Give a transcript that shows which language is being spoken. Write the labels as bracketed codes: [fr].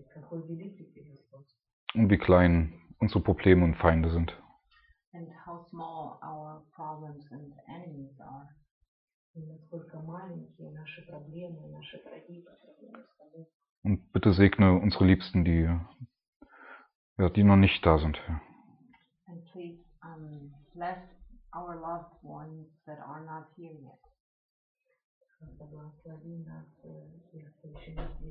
[de] Und wie klein unsere Probleme und Feinde sind. [en] And how small our problems and enemies are. [ru] Und насколько маленькие наши проблемы, наши враги. [de] Und bitte segne unsere Liebsten, die, ja, die noch nicht da sind. [en] And please bless our loved ones that are not here yet.